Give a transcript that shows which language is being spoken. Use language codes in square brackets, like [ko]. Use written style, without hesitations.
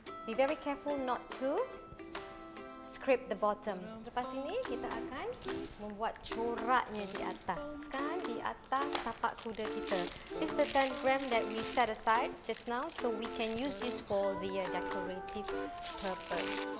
[en] Be very careful not to scrape the bottom. [ms] Lepas ini kita akan membuat coraknya di atas. Kan di atas tapak kuda kita. [en] This is the 10 gram that we set aside just now, so we can use this for the decorative purpose.